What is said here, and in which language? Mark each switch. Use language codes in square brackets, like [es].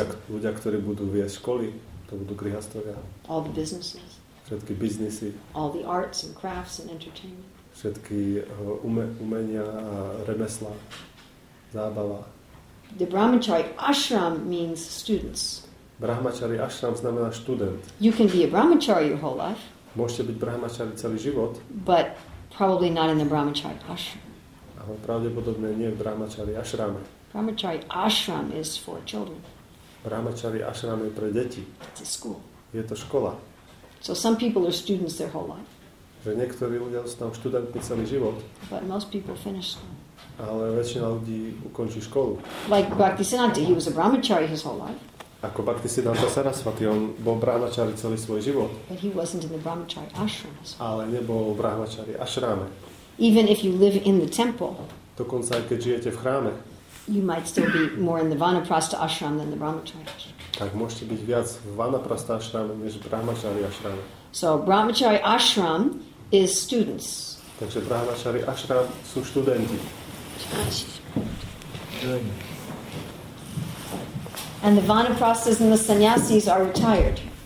[sk] Ľudia, ktorí budú viesť školy, to budú grihasthovia. [en] All the businesses. [sk] Všetky biznisy. [en] All the arts and crafts and entertainment. [sk] Všetky umenia a remeslá, zábava. [en] The brahmachari ashram means students. [sk] Brahmachari ashram znamená študent. [en] You can be a brahmachari your whole life. [sk] Môžete byť brahmachari celý život. [en] But probably not in the brahmachari ashram. [sk] Ale pravdepodobne nie v brahmachari ashrame. [en] Brahmachari ashram is for children. [sk] Brahmachari ashram je pre deti. [en] It's a school. [sk] Je to škola. [en] So some people are students their whole life. [sk] Že niektorí ľudia sú tam študentmi celý život. [en] But most people finish school. [sk] Ale väčšina ľudí ukončí školu. [en] Like Bhaktisiddhanta, he was a brahmachari his whole life. [sk] Ako Bhaktisiddhanta Sarasvati, on bol brahmachari celý svoj život. [en] But he wasn't in the brahmachari ashram. [sk] Ale nebol brahmachari ashrame. [en] Even if you live in the temple. [sk] Dokonca aj keď žijete v chráme. [en] You might still be more in the vanaprastha ashram than the brahmachari ashram. [sk] Tak môžete byť viac v vanaprastha ashrame než v brahmachari ashrame. [en] So brahmachari ashram is students. [sk] Takže brahmachari ashram sú študenti. [en] And the vanaprasthas and the sannyasis are retired.